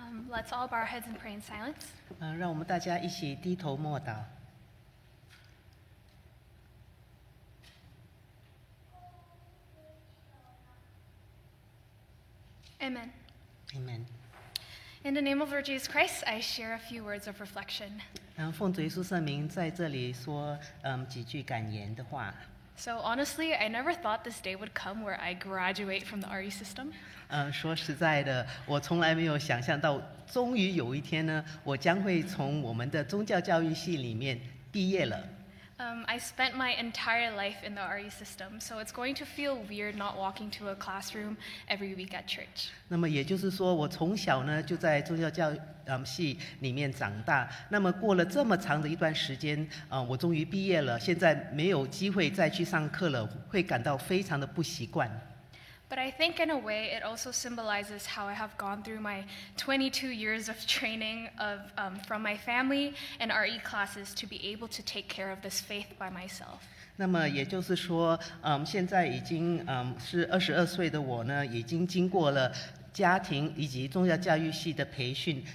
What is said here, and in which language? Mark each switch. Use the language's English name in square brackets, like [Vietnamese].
[English] Let's all bow our heads and pray in silence. [Chinese] 让我们大家一起低头默祷。 [English] Amen. Amen. In the name of Lord Jesus Christ, I share a few words of reflection. [Chinese] 奉主耶稣圣名在这里说几句感言的话。 [English] So honestly, I never thought this day would come where I graduate from the RE system. [Chinese] 说实在的，我从来没有想象到，终于有一天呢，我将会从我们的宗教教育系里面毕业了。 [English] I spent my entire life in the RE system, so it's going to feel weird not walking to a classroom every week at church. [Chinese] 那么也就是说，我从小呢就在宗教教系里面长大，那么过了这么长的一段时间，我终于毕业了，现在没有机会再去上课了，会感到非常的不习惯。 [English] But I think in a way it also symbolizes how I have gone through my 22 years of training of, from my family and RE classes to be able to take care of this faith by myself. [Chinese] 那么也就是说，现在已经是22岁的我呢，已经经过了家庭以及宗教教育系的培训。